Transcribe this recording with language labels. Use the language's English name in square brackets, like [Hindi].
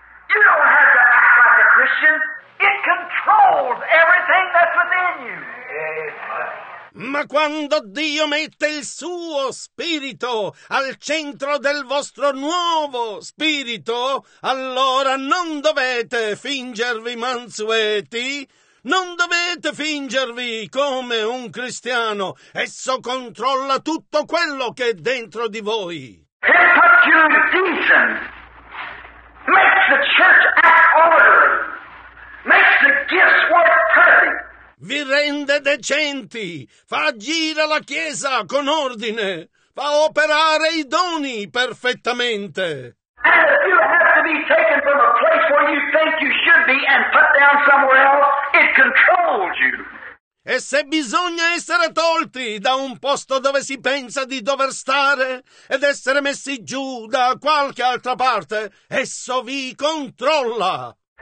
[English] You don't have to act like a Christian. It controls everything that's within you. [Italian] Ma quando Dio mette il suo spirito al centro del vostro nuovo spirito, allora non dovete fingervi mansueti, non dovete fingervi come un cristiano. Esso controlla tutto quello che è dentro di voi. [English] Decent, makes the church act orderly, makes the gifts work perfectly. [Italian] Vi rende decenti, fa agire la Chiesa con ordine, fa operare i doni perfettamente. [English] And if you have to be taken from a place where you think you should be and put down somewhere else, it controls you. [Italian] E se bisogna essere tolti da un posto dove si pensa di dover stare ed essere messi giù da qualche altra parte, esso vi controlla.